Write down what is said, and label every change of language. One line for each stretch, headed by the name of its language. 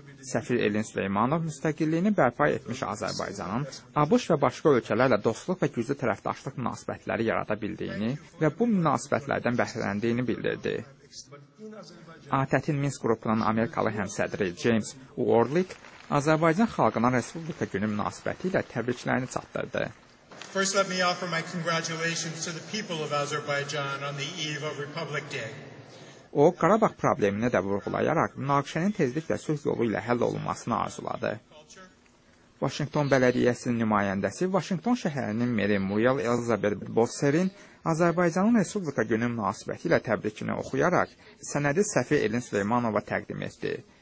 Azerbaijani: Səfir Elin Süleymanov müstəqilliyini bərpa etmiş Azərbaycanın ABŞ və başqa ölkələrlə dostluq və güclü tərəfdaşlıq münasibətləri yarada bildiyini və bu münasibətlərdən bəhrələndiyini bildirdi. ATƏT-in Minsk qrupunun Amerikalı həmsədri James Warlick Azərbaycan xalqına Respublika günü münasibəti ilə təbriklərini çatdırdı.
English: First let me offer my congratulations to the people of Azerbaijan on the eve of Republic Day.
Azerbaijani: O, Qarabağ problemini də vurğulayaraq münaqişənin tezliklə söz yolu ilə həll olunmasını arzuladı. Vaşinqton bələdiyyəsinin nümayəndəsi Vaşinqton şəhərinin meri Muriel Elizabeth Bosserin Azərbaycanın Respublika günü münasibəti ilə təbrikini oxuyaraq sənədi Səfi Elin Süleymanova təqdim etdi.